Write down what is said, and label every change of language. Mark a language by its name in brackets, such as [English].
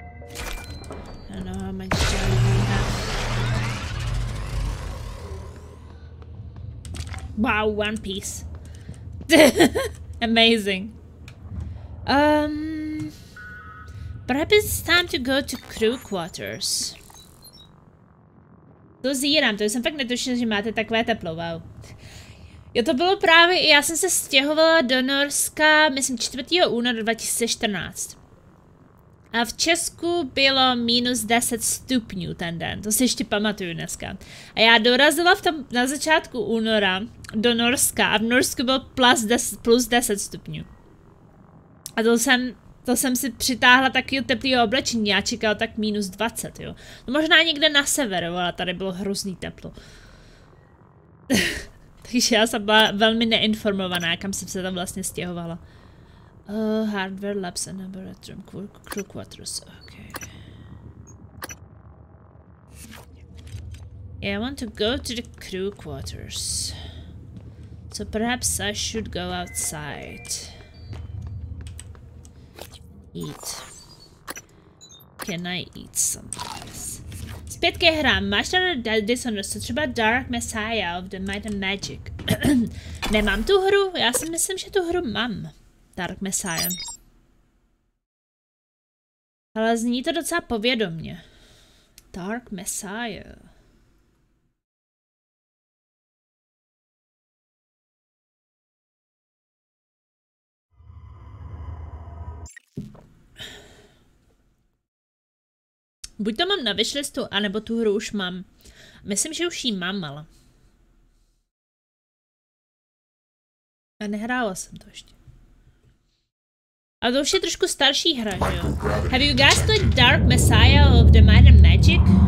[English] I don't know how much time we have. Wow, one piece. Amazing. Perhaps it's time to go to crew quarters. [Czech] To zíram, to jsem fakt netušil, že máte takové teplo, wow. Jo, to bylo právě, já jsem se stěhovala do Norska, myslím, 4. února 2014. A v Česku bylo -10 stupňů ten den, to si ještě pamatuju dneska. A já dorazila v tom, na začátku února do Norska a v Norsku bylo +10 stupňů. A to jsem si přitáhla takovýho teplýho oblečení, já čekala tak -20, jo. No možná někde na severu, ale tady bylo hrozný teplo. Takže já jsem byla velmi neinformovaná, kam jsem se tam vlastně stěhovala. [English] Hardware labs and laboratory, crew quarters, okay. Yeah, I want to go to the crew quarters. So perhaps I should go outside. Eat. Can I eat something? Spit Kehra, master of the dishonored, dark messiah of the might and magic. [Czech] Nemám tu hru? Já si myslím, že tu hru mám. Dark Messiah. Ale zní to docela povědomně. Dark Messiah. Buď to mám na wishlistu, anebo tu hru už mám. Myslím, že už ji mám, ale... A nehrála jsem to ještě. A to už je trošku starší hra, že jo? [English] Have you guys played Dark Messiah of the Might and Magic?